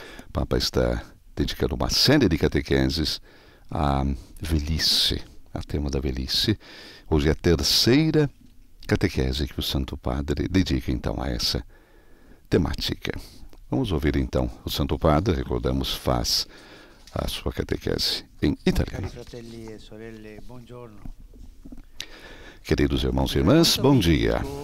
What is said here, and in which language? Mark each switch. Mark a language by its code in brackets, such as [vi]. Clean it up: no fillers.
[pt] O Papa está dedicando uma série de catequeses à velhice, ao tema da velhice. Hoje é a terceira catequese que o Santo Padre dedica, então, a essa temática. Vamos ouvir, então, o Santo Padre, recordamos, faz a sua catequese em italiano. [it] Fratelli e sorelle, buongiorno. [pt] Queridos irmãos e irmãs, bom dia.